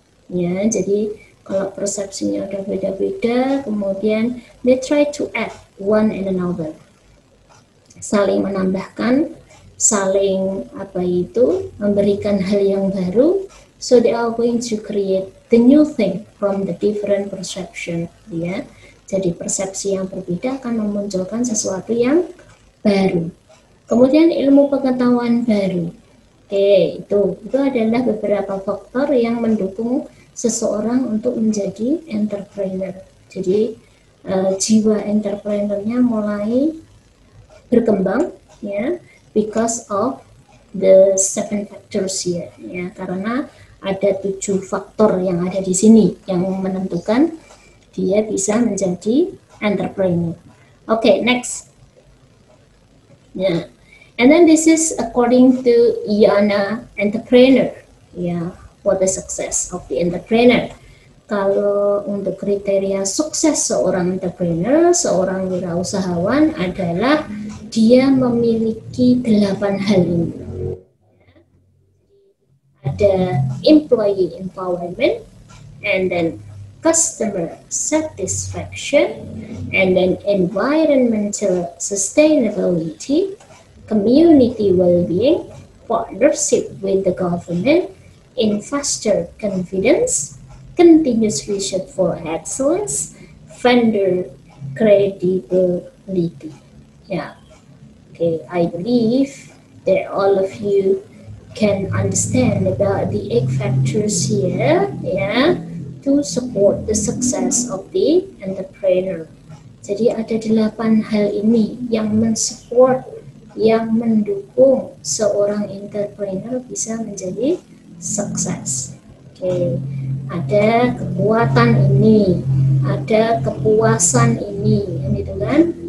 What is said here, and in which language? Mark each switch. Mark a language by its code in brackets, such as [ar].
[id] Ya, jadi kalau persepsinya ada beda-beda, kemudian [en] they try to add one and another. [id] Saling menambahkan, saling apa itu, memberikan hal yang baru. [en] So they are going to create the new thing from the different perception. [id] Ya. Jadi persepsi yang berbeda akan memunculkan sesuatu yang baru. Kemudian ilmu pengetahuan baru. Oke, itu adalah beberapa faktor yang mendukung seseorang untuk menjadi entrepreneur. Jadi jiwa entrepreneurnya mulai berkembang, ya, [en] because of the seven factors here, [id] ya, karena ada tujuh faktor yang ada di sini yang menentukan dia bisa menjadi entrepreneur. [en] Okay, next, ya, and then this is according to Yana entrepreneur, ya, what the success of the entrepreneur. [id] Kalau untuk kriteria sukses seorang entrepreneur, seorang wirausahawan adalah dia memiliki 8 hal ini. [en] Ada employee empowerment, and then customer satisfaction, and then environmental sustainability, community well-being, partnership with the government, investor confidence, continuous research for excellence, vendor credibility. Yeah. Okay, I believe that all of you can understand about the eight factors here, yeah, to support the success of the entrepreneur. [id] Jadi ada 8 hal ini yang mensupport, yang mendukung seorang entrepreneur bisa menjadi sukses. Okay. Ada kekuatan ini, ada kepuasan ini, gitu kan?